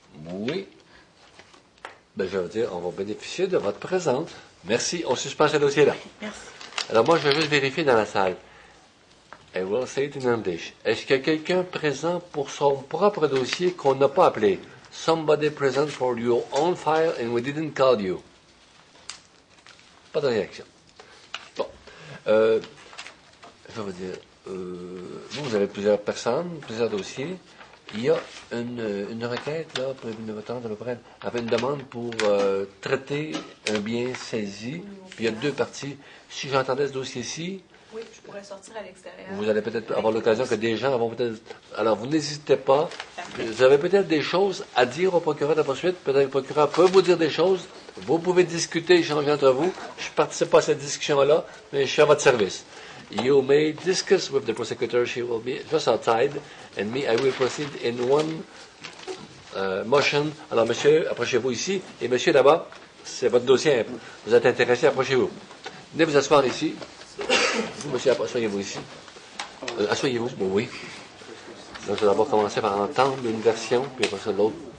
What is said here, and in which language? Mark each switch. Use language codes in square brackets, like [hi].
[fr] Oui. Ben, je veux dire, on va bénéficier de votre présence. Merci, on suspend ce dossier-là. Merci. Alors moi, je vais juste vérifier dans la salle. [en] I will say it in English. [fr] Est-ce qu'il y a quelqu'un présent pour son propre dossier qu'on n'a pas appelé? [en] Somebody present for your own file and we didn't call you. [fr] Pas de réaction. Bon. Je vais vous dire, vous avez plusieurs personnes, plusieurs dossiers. Il y a une requête, là, pour une votante de l'opérette, avec une demande pour traiter un bien saisi. Puis il y a deux parties. Si j'entendais ce dossier-ci... Oui, je pourrais sortir à l'extérieur. Vous allez peut-être avoir l'occasion que des gens vont peut-être... Alors, vous n'hésitez pas. Parfait. Vous avez peut-être des choses à dire au procureur de la poursuite. Peut-être que le procureur peut vous dire des choses. Vous pouvez discuter, échanger entre vous. Je ne participe pas à cette discussion-là, mais je suis à votre service. [en] You may discuss with the prosecutor, she will be just outside, and me, I will proceed in one motion. [fr] Alors, monsieur, approchez-vous ici, et monsieur, là-bas, c'est votre dossier. Vous êtes intéressé, approchez-vous. Venez vous asseoir ici. Vous, monsieur, asseyez-vous ici. Asseyez-vous, bon, oui. Donc, je vais d'abord commencer par entendre une version, puis après ça, l'autre.